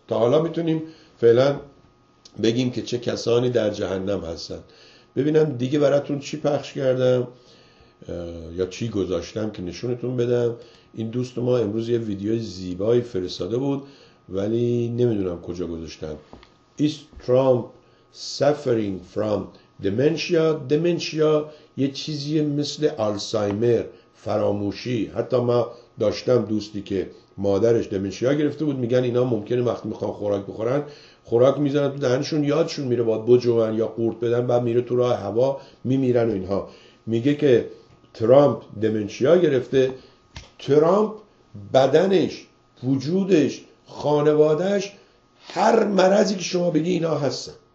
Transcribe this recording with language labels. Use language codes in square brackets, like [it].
[fa] تا حالا میتونیم فعلا بگیم که چه کسانی در جهنم هستن. ببینم دیگه براتون چی پخش کردم یا چی گذاشتم که نشونتون بدم. این دوست ما امروز یه ویدیو زیبایی فرستاده بود ولی نمیدونم کجا گذاشتم. [en] Is Trump suffering from dementia؟ dementia [fa] یه چیزی مثل آلزایمر، فراموشی. حتی ما داشتم دوستی که مادرش دمنشیا گرفته بود، میگن اینا ممکنه وقتی میخوان خوراک بخورن خوراک میزنن تو دهنشون، یادشون میره باید بجوان یا قورت بدن، بعد میره تو راه هوا میمیرن و اینها. میگه که ترامپ دمنشیا گرفته. ترامپ بدنش، وجودش، خانوادهش، هر مرضی که شما بگی اینا هستن.